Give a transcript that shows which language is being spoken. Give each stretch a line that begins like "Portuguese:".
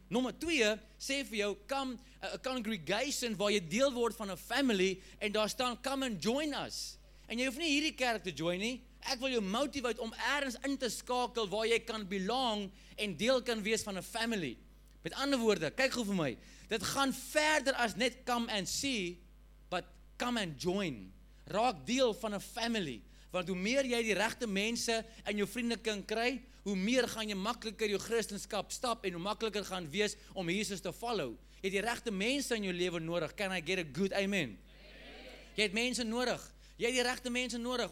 Afrikaans: Nommer 2 sê vir jou,
English: come a congregation
Afrikaans: waar jy deel word van 'n family en daar staan
English: come and join us.
Afrikaans: En jy hoef nie hierdie kerk te join nie. Ek wil jou motivate om ergens in te skakel waar jy kan belong en deel kan wees van 'n family. Met ander woorde, kyk gou vir my. Dit gaan verder as net
English: come and see, but come and join.
Afrikaans: Raak deel van 'n family. Want hoe meer jy die regte mense in jou vriende kan kry, hoe meer gaan jy makliker jou Christenskap stap en hoe makliker gaan wees om Jesus te follow. Jy het die regte mense in jou lewe nodig.
English: Can I get a good amen?
Afrikaans: Amen. Jy het mense nodig. Jy het die regte mense nodig.